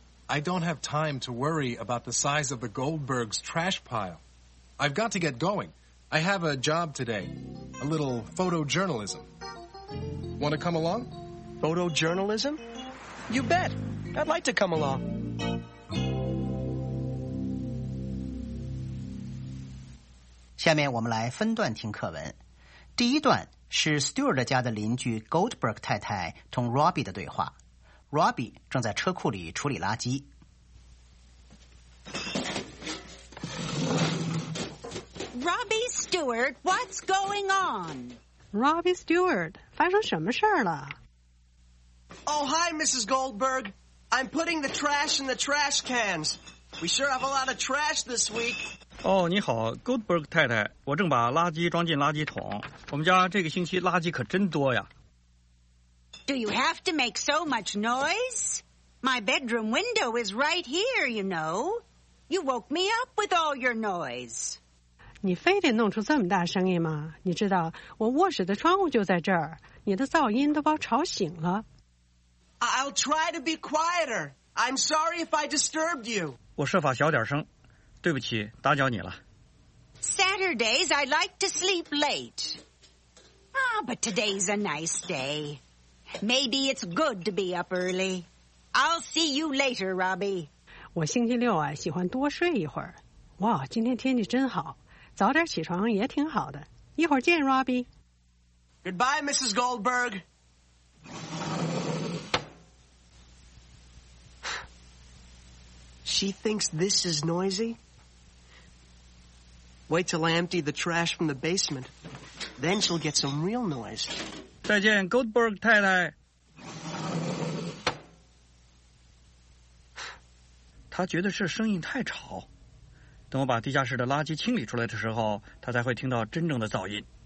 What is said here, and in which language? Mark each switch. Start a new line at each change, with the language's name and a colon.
English: I don't have time to worry about the size of the Goldbergs' trash pile. I've got to get going. I have a job today. A little photojournalism. Want to come along? Photojournalism? You bet. I'd like to come along.
Chinese: 下面我们来分段听课文。第一段是 Stewart 家的邻居 Goldberg 太太同 Robbie 的对话。 Robbie 正在车库里处理垃圾。
English: Robbie Stewart, what's going on?
Chinese: Robbie Stewart, 发生什么事儿了？
English: Oh, hi, Mrs. Goldberg. I'm putting the trash in the trash cans. We sure have a lot of trash this week.
Chinese: Oh, 你好 ,Goldberg 太太。我正把垃圾装进垃圾桶。我们家这个星期垃圾可真多呀。
English: Do you have to make so much noise? My bedroom window is right here, you know. You woke me up with all your noise.
Chinese: 你非得弄出这么大声音吗？你知道我卧室的窗户就在这儿，你的噪音都把我吵醒了。
English: I'll try to be quieter. I'm sorry if I disturbed you.
Chinese: 我设法小点声，对不起，打搅你了。
English: Saturdays I like to sleep late. Ah, but today's a nice day. Maybe it's good to be up early. I'll see you later, Robbie.
Chinese: 我星期六啊，喜欢多睡一会儿。哇，今天天气真好。早点起床也挺好的。一会儿见 Robbie。
English: Goodbye, Mrs. Goldberg。 She thinks this is noisy? Wait till I empty the trash from the basement. Then she'll get some real noise.
Chinese: 再见 Goldberg 太太。她觉得是声音太吵，等我把地下室的垃圾清理出来的时候，他才会听到真正的噪音。